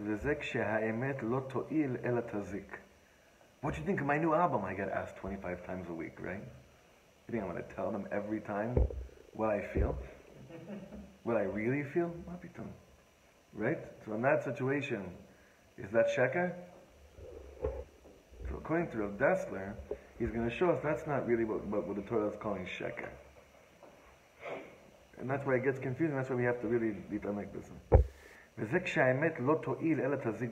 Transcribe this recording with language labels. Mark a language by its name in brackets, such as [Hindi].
[Hebrew] וזה כשהאמת לא תועיל אלא תזיק. [English] What do you think of my new album? I get asked 25 times a week, right? You think I'm going to tell them every time what I feel? What I really feel? Right? So in that situation, is that sheker? So according to Rav Dessler, he's going to show us that's not really what the Torah is calling sheker. And that's why it gets confusing. That's why we have to really be done like this. [Hebrew] וזה כשהאמת לא תועיל אלא תזיק.